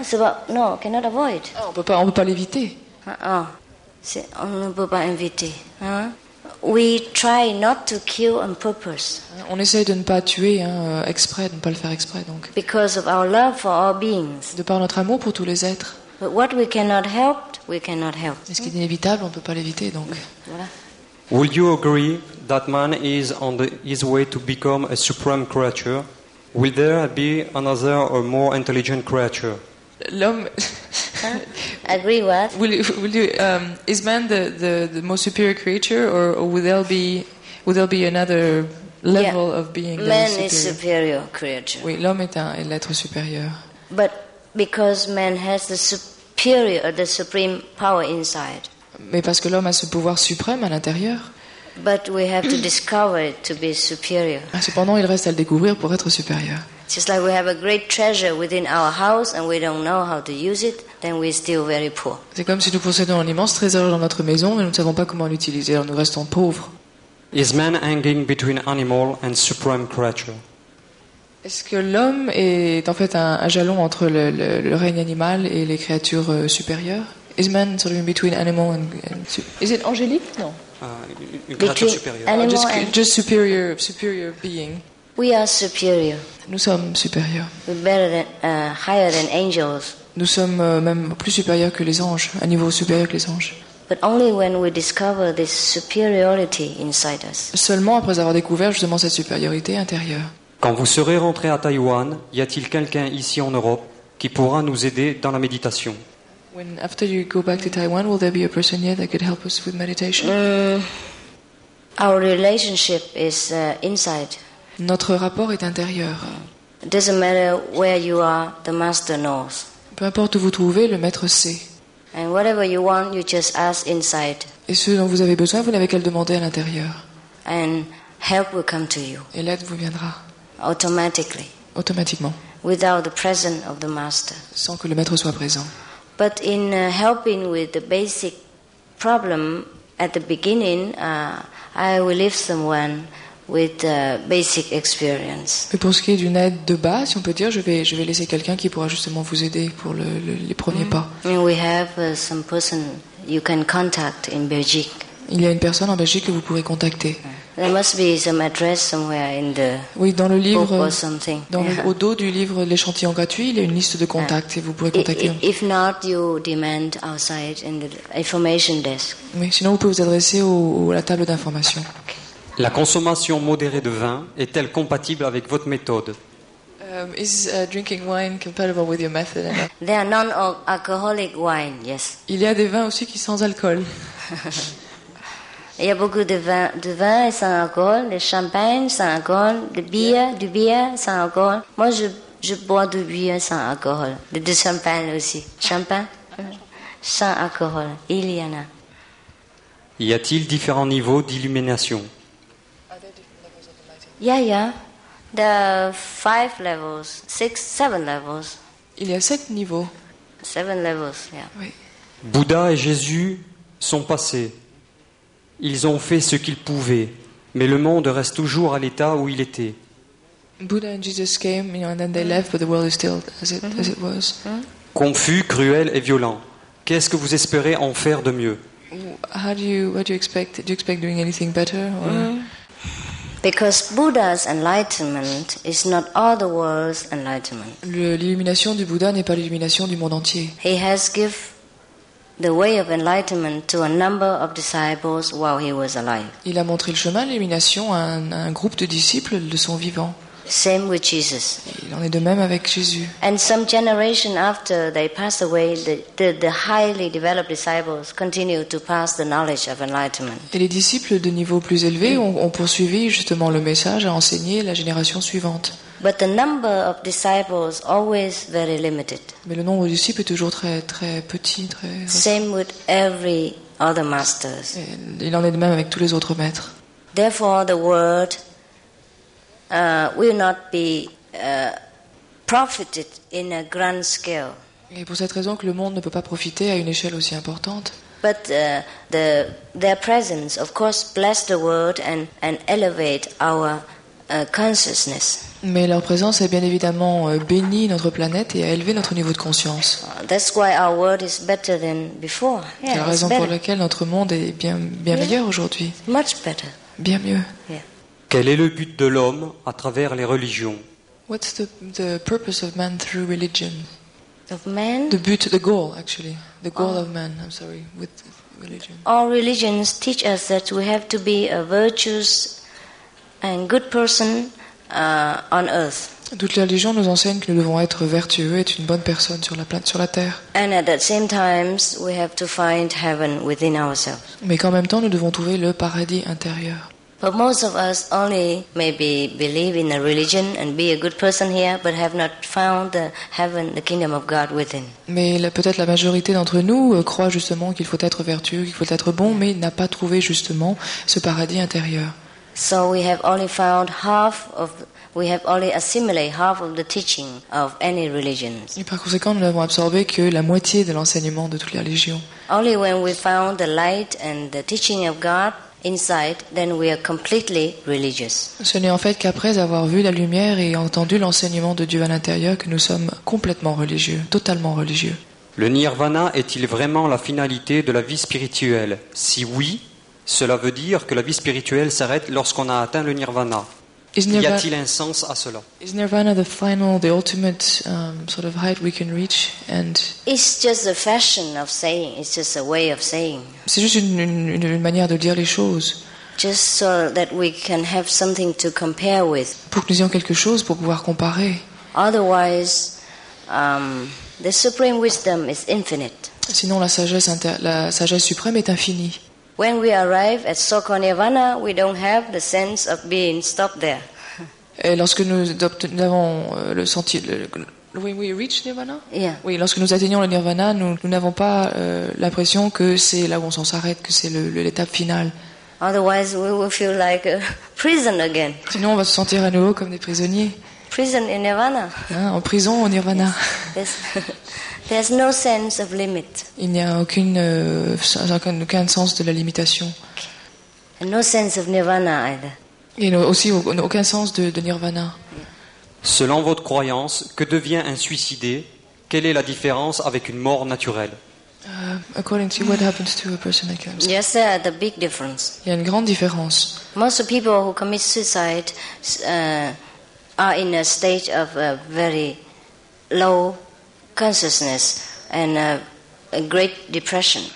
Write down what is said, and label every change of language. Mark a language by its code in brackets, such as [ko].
[fr] C'est pas, non, [en] cannot avoid. [fr] On peut pas l'éviter. On ne peut pas éviter. Hein? [en] We try not to kill on purpose. [fr] On essaye de ne pas tuer, hein, exprès, de ne pas le faire exprès, donc. [en] Because of our love for all beings. [fr] De par notre amour pour tous les êtres. [en] But what we cannot help, we cannot help. [fr] Mais ce qui est inévitable, on ne peut pas l'éviter, donc. Voilà. [en] Would you agree that man is on his way to become a supreme creature? Will there be another or more intelligent creature? [fr] L'homme. [en] Agree what? Will you? Is man the most superior creature, or will there be another level of being? Man is superior creature. [fr] Oui, l'homme est un être supérieur. [en] But because man has the supreme power inside. [fr] Mais parce que l'homme a ce pouvoir suprême à l'intérieur. [en] But we have to discover it to be superior. [fr] Cependant, il reste à le découvrir pour être supérieur. [en] Just like we have a great treasure within our house and we don't know how to use it, then we're still very poor. [fr] C'est comme si nous possédons un immense trésor dans notre maison et nous ne savons pas comment l'utiliser, alors nous restons pauvres. [en] Is man hanging between animal and supreme creature? [fr] Est-ce que l'homme est en fait un jalon entre le règne animal et les créatures supérieures? [en] Is man sort of in between animal and is it angelic? No. Superior being. We are superior. [fr] Nous sommes supérieurs. [en] We're better than higher than angels. [fr] Nous sommes même plus supérieurs que les anges, à niveau supérieur que les anges. [en] But only when we discover this superiority inside us. [fr] Seulement après avoir découvert justement cette supériorité intérieure. Quand vous serez rentré à Taïwan, y a-t-il quelqu'un ici en Europe qui pourra nous aider dans la méditation? [en] When after you go back to Taiwan, will there be a person here that could help us with meditation? Our relationship is inside. [fr] Notre rapport est intérieur. [en] It doesn't matter where you are, the master knows. [fr] Peu importe où vous trouvez, le maître sait. [en] And whatever you want, you just ask inside. [fr] Et ce dont vous avez besoin, vous n'avez qu'à le demander à l'intérieur. [en] And help will come to you. [fr] Et l'aide vous viendra. [en] Automatically. [fr] Automatiquement. [en] Without the presence of the master. [fr] Sans que le maître soit présent. [en] But in helping with the basic problem at the beginning, I will leave someone with basic experience. [fr] Mais pour ce qui est d'une aide de base, si on peut dire, je vais laisser quelqu'un qui pourra justement vous aider pour les premiers pas. [en] And we have some person you can contact in Belgique. [fr] Il y a une personne en Belgique que vous pourrez contacter. [en] There must be some address somewhere in the [fr] oui, dans le livre, [en] book or something. [fr] Dans yeah. Au dos du livre L'échantillon gratuit, il y a une liste de contacts et vous pourrez contacter. [en] If not, you demand outside in the information desk. [fr] Oui, sinon, vous pouvez vous adresser à la table d'information. La consommation modérée de vin est-elle compatible avec votre méthode? [en] Is drinking wine compatible with your method? There are non-alcoholic wine, yes. [fr] Il y a des vins aussi qui sont sans alcool. Il y a beaucoup de vin sans alcool, de champagne sans alcool, de bière, du bière sans alcool. Moi, je bois du bière sans alcool, de champagne aussi. Champagne sans alcool, il y en a. Y a-t-il différents niveaux d'illumination? [en] There are five levels, six, seven levels. [fr] Il y a sept niveaux. [en] Seven levels, yeah. [fr] Oui. Bouddha et Jésus sont passés. Ils ont fait ce qu'ils pouvaient, mais le monde reste toujours à l'état où il était. [en] Buddha and Jesus came, you know, and then they left, but the world is still as it was. [fr] Confus, cruel et violent. Qu'est-ce que vous espérez en faire de mieux? [en] What do you expect? Do you expect doing anything better? Because Buddha's enlightenment is not all the world's enlightenment. [fr] L'illumination du Bouddha n'est pas l'illumination du monde entier. [en] He has given the way of enlightenment to a number of disciples while he was alive. [fr] Il a montré le chemin de l'illumination à un groupe de disciples de son vivant. [en] Same with Jesus. [fr] Il en est de même avec Jésus. [en] And some generation after they passed away, the highly developed disciples continued to pass the knowledge of enlightenment. [fr] Et les disciples de niveau plus élevé ont poursuivi justement le message à enseigner la génération suivante. [en] But the number of disciples always very limited. [fr] Mais le nombre de disciples est toujours très très petit, très. [en] Same with every other masters. [fr] Il en est de même avec tous les autres maîtres. [en] Therefore, the world will not be profited in a grand scale. [fr] Et pour cette raison que le monde ne peut pas profiter à une échelle aussi importante. [en] But their presence, of course, bless the world and elevate our consciousness. [fr] Mais leur présence a bien évidemment béni notre planète et a élevé notre niveau de conscience. [en] That's why our world is better than before. [fr] Yeah, c'est la raison pour laquelle notre monde est bien meilleur aujourd'hui. [en] Much better. [fr] Bien mieux. [en] Yeah. [fr] Quel est le but de l'homme à travers les religions? [en] What's the purpose of man through religion? Of man? The but, the goal actually. The goal of man, I'm sorry, with religion. All religions teach us that we have to be a virtuous and good person on earth. [fr] Toutes les religions nous enseignent que nous devons être vertueux et être une bonne personne sur la planète, sur la terre. [en] And at the same times, we have to find heaven within ourselves. [fr] Mais qu'en même temps, nous devons trouver le paradis intérieur. [en] But most of us only maybe believe in a religion and be a good person here, but have not found the heaven, the kingdom of God within. [fr] Mais peut-être la majorité d'entre nous croit justement qu'il faut être vertueux, qu'il faut être bon, mais n'a pas trouvé justement ce paradis intérieur. [en] So we have only found half of We have only assimilated half of the teaching of any religion. [fr] Et par conséquent, nous n'avons absorbé que la moitié de l'enseignement de toutes les religions. [en] Only when we found the light and the teaching of God inside, then we are completely religious. [fr] Ce n'est en fait qu'après avoir vu la lumière et entendu l'enseignement de Dieu à l'intérieur que nous sommes complètement religieux, totalement religieux. Le nirvana est-il vraiment la finalité de la vie spirituelle? Si oui, cela veut dire que la vie spirituelle s'arrête lorsqu'on a atteint le nirvana. Y a-t-il un sens à cela? [en] Is nirvana the final, the ultimate sort of height we can reach? And it's just a fashion of saying. It's just a way of saying. [fr] C'est juste une manière de dire les choses. [en] Just so that we can have something to compare with. [fr] Pour que nous ayons quelque chose pour pouvoir comparer. [en] Otherwise, the supreme wisdom is infinite. [fr] Sinon, la sagesse suprême est infinie. [en] When we arrive at Soko Nirvana, we don't have the sense of being stopped there. [fr] Et lorsque nous avons le senti, [en] when we reach Nirvana, yeah. [fr] Oui, lorsque nous atteignons le Nirvana, nous n'avons pas l'impression que c'est là où on s'arrête, que c'est l'étape finale. [en] Otherwise, we will feel like a prison again. [fr] Sinon, on va se sentir à nouveau comme des prisonniers. [en] Prison in Nirvana. [fr] Hein, en prison au Nirvana. [en] Yes. There's no sense of limit. [fr] Il n'y a aucun sens de la limitation. [en] And no sense of nirvana either. [fr] Et aussi aucun sens de nirvana. Selon votre croyance, que devient un suicidé? Quelle est la différence avec une mort naturelle? [en] According to what happens to a person that comes. Yes, there is a big difference. [fr] Il y a une grande différence. [en] Most of people who commit suicide are in a state of a very low consciousness and a great depression.